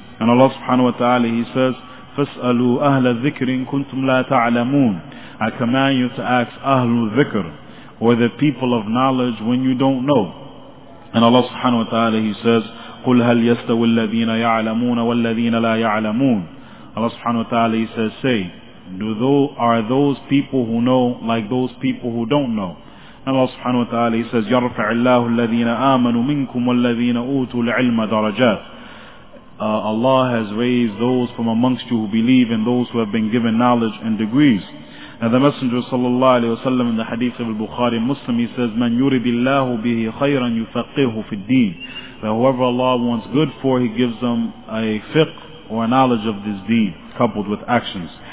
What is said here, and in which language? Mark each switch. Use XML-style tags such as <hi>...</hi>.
<en>And Allah subhanahu wa ta'ala, He says,</en> <ar>فَاسْأَلُوا أَهْلَ الذِّكْرِ إِن كُنْتُمْ لَا تَعْلَمُونَ.</ar> <en>I command you to ask</en> <ar>أَهْلُ الذِّكْرِ,</ar> <en>or the people of knowledge, when you don't know. And Allah subhanahu wa ta'ala, He says,</en> <ar>قُلْ هَلْ يَسْتَوِي الَّذِينَ يَعْلَمُونَ وَالَّذِينَ لَا يَعْلَمُونَ.</ar> <en>Allah subhanahu wa ta'ala, He says, say, are those people who know like those people who don't know? Allah subhanahu wa ta'ala, he says,</en> <ar>يَرْفَعِ اللَّهُ الَّذِينَ آمَنُوا مِنْكُمْ وَالَّذِينَ أُوتُوا الْعِلْمَ دَرَجَاتٍ.</ar> <en>Allah has raised those from amongst you who believe and those who have been given knowledge and degrees. Now the Messenger sallallahu alayhi wa sallam in the hadith of al-Bukhari Muslim, he says,</en> <ar>مَنْ يُرِدِ اللَّهُ بِهِ خَيْرًا يُفَقِّهُ فِي الدِّينِ.</ar> <en>That whoever Allah wants good for, he gives them a fiqh or a knowledge of this deen, coupled with actions.</en>